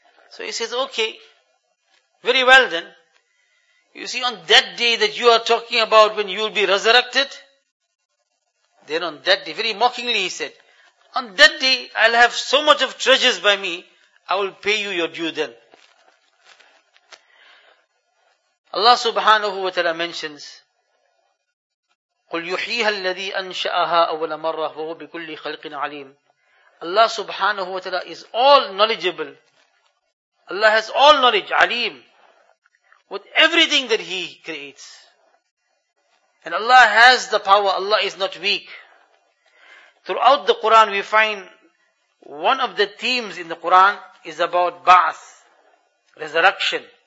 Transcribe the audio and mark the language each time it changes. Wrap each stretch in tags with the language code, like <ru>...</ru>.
<en>So he says, okay, very well then. You see, on that day that you are talking about when you will be resurrected, then on that day, very mockingly he said, on that day, I'll have so much of treasures by me, I will pay you your due then. Allah subhanahu wa ta'ala mentions,</en> <ar>قُلْ يُحْيِيهَا الَّذِي أَنْشَأَهَا أَوَّلَ مَرَّةٍ وَهُوَ بِكُلِّ خَلْقٍ عَلِيمٍ.</ar> <en>Allah subhanahu wa ta'ala is all knowledgeable. Allah has all knowledge, alim, with everything that He creates. And Allah has the power, Allah is not weak. Throughout the Quran, we find one of the themes in the Quran is about ba'ath, resurrection.</en>